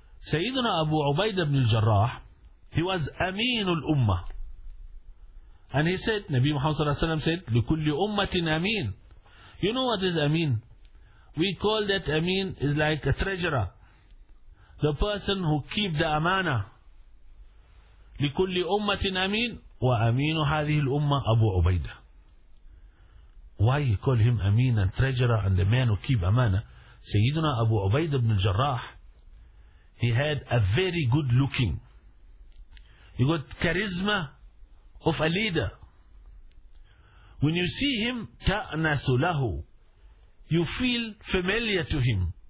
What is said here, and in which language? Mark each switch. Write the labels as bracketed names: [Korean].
[English] Sayyidina Abu Ubaidah ibn al-Jarrah, he was Aminul Ummah. And he said, Nabi Muhammad sallallahu alayhi wa sallam said, [Arabic] "Likulli ummatin ameen." [English] You know what is ameen? We call that ameen is like a treasurer. The person who keep the amanah. [Arabic] لكل أمة أمين، وأمين هذه الأمة أبو عبيدة. [English] Why he call him Amin and treasurer and the man who keep Amana? Sayyidina Abu Ubaidah ibn Jarrah, he had a very good looking. He got charisma of a leader. When you see him, [Arabic] ta'nasu lahu, [English] you feel familiar to him.